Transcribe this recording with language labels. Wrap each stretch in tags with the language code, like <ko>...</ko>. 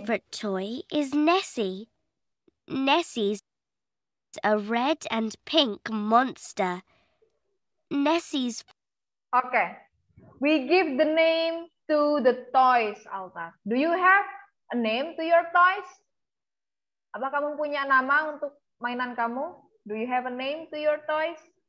<en>Favorite toy is Nessie. Nessie's a red and pink monster. Nessie's. Okay. We give the name to the toys, Alta. Do you have a name to your toys?</en> <id>Apa kamu punya nama untuk mainan kamu?</id> <en>Do you have a name to your toys?</en>